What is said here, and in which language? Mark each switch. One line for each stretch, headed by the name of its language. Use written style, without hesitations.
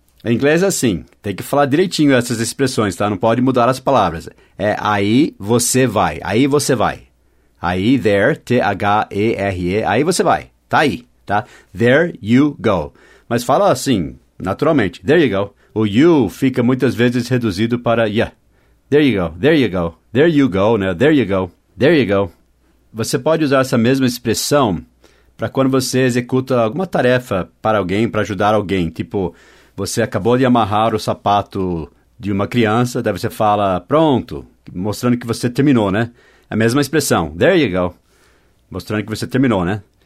Portuguese: Em inglês é assim, tem que falar direitinho essas expressões, tá? Não pode mudar as palavras. É aí você vai, aí você vai. Aí, there, T-H-E-R-E, aí você vai, tá aí, tá?
English: There you go.
Portuguese: Mas fala assim, naturalmente,
English: there you go.
Portuguese: O you fica muitas vezes reduzido para yeah.
English: There you go, there you go, there you go, né? There you go, there you go.
Portuguese: Você pode usar essa mesma expressão para quando você executa alguma tarefa para alguém, para ajudar alguém. Tipo, você acabou de amarrar o sapato de uma criança, daí você fala, pronto, mostrando que você terminou, né? A mesma expressão,
English: there you go,
Portuguese: mostrando que você terminou, né?